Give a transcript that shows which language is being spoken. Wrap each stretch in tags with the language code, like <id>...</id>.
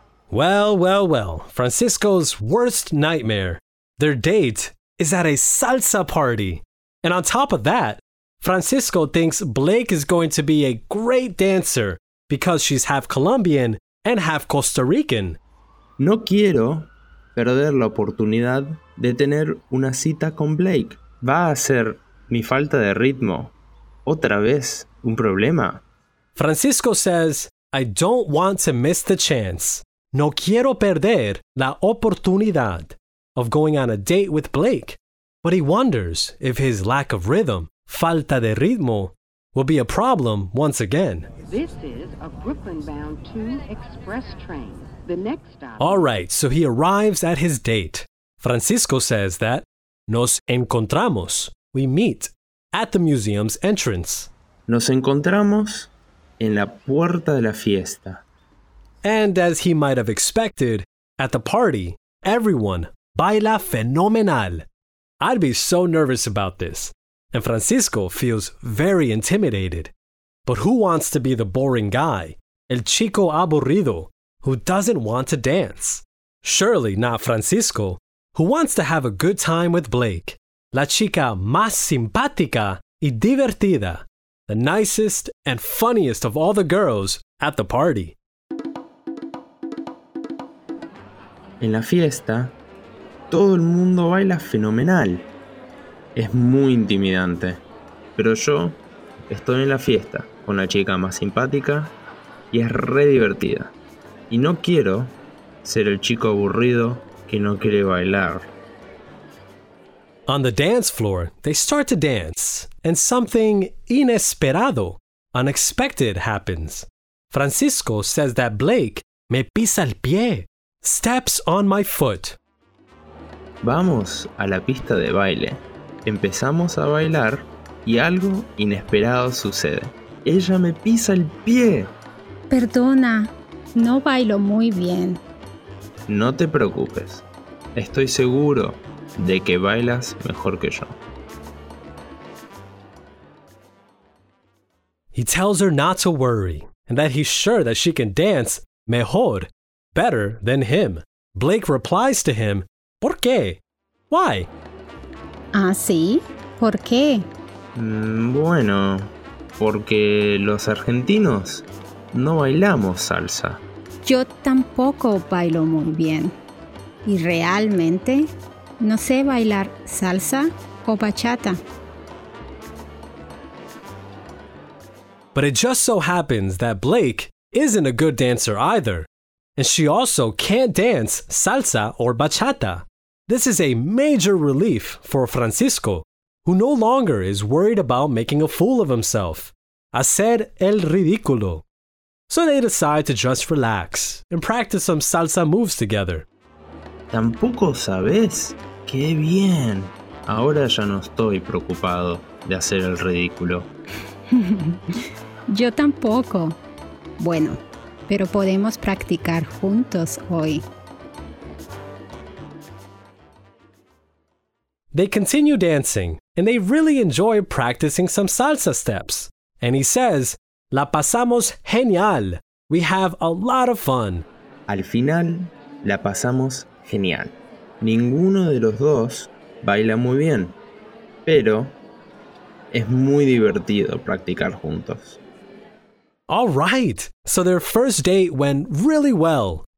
<en>Well, well, well. Francisco's worst nightmare. Their date is at a salsa party. And on top of that, Francisco thinks Blake is going to be a great dancer because she's half Colombian and half Costa Rican.</en> <es>No quiero perder la oportunidad de tener una cita con Blake. Va a ser mi falta de ritmo otra vez un problema.</es> <en>Francisco says, I don't want to miss the chance.</en> <es>No quiero perder la oportunidad</es> <en>of going on a date with Blake. But he wonders if his lack of rhythm,</en> <es>falta de ritmo,</es> <en>will be a problem once again. This is a Brooklyn-bound 2 express train. The next stop... All right, so he arrives at his date. Francisco says that</en> <es>nos encontramos,</es> <en>we meet, at the museum's entrance.</en> <es>Nos encontramos en la puerta de la fiesta.</es> <en>And as he might have expected, at the party, everyone</en> <es>baila fenomenal.</es> <en>I'd be so nervous about this. And Francisco feels very intimidated. But who wants to be the boring guy,</en> <es>el chico aburrido,</es> <en>who doesn't want to dance? Surely not Francisco, who wants to have a good time with Blake,</en> <es>la chica más simpática y divertida,</es> <en>the nicest and funniest of all the girls at the party.</en> <es>En la fiesta, todo el mundo baila fenomenal. Es muy intimidante. Pero yo estoy en la fiesta con la chica más simpática y es re divertida. Y no quiero ser el chico aburrido que no quiere bailar.</es> <en>On the dance floor, they start to dance and something</en> <es>inesperado,</es> <en>unexpected, happens. Francisco says that Blake</en> <es>me pisa el pie.</es> <en>Steps on my foot.</en> <es>Vamos a la pista de baile. Empezamos a bailar y algo inesperado sucede. Ella me pisa el pie. Perdona, no bailo muy bien. No te preocupes. Estoy seguro de que bailas mejor que yo.</es> <en>He tells her not to worry and that he's sure that she can dance mejor. Better than him. Blake replies to him,</en> <es>¿Por qué?</es> <en>Why?</en> <es>Ah, sí. ¿Por qué? Bueno, porque los argentinos no bailamos salsa. Yo tampoco bailo muy bien. Y realmente no sé bailar salsa o bachata.</es> <en>But it just so happens that Blake isn't a good dancer either. And she also can't dance salsa or bachata. This is a major relief for Francisco, who no longer is worried about making a fool of himself.</en> <es>Hacer el ridículo.</es> <en>So they decide to just relax and practice some salsa moves together.</en> <es>Tampoco sabes. Qué bien. Ahora ya no estoy preocupado de hacer el ridículo. Yo tampoco. Bueno. Pero podemos practicar juntos hoy.</es> <en>They continue dancing, and they really enjoy practicing some salsa steps. And he says,</en> <es>La pasamos genial.</es> <en>We have a lot of fun.</en> <es>Al final, la pasamos genial. Ninguno de los dos baila muy bien, pero es muy divertido practicar juntos.</es> <en>All right, so their first date went really well.</en>